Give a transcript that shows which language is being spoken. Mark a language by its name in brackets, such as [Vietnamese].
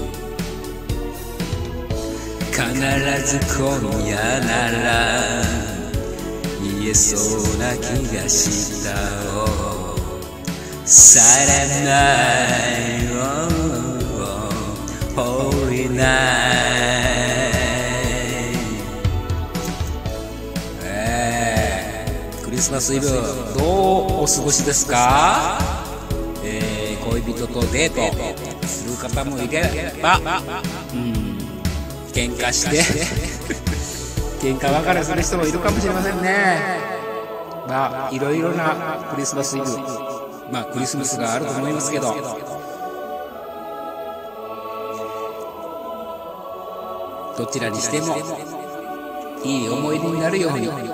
[Japanese] 必ず今夜なら言えそうな気がした。 [English] Silent night, oh, oh, holy night. [Japanese] クリスマスイブどうお過ごしですか？恋人とデートする方もいれば、喧嘩して喧嘩別れする人もいるかもしれませんね。まあいろいろなクリスマスイブ。まあクリスマスがあると思いますけど、どちらにしてもいい思い出になるように。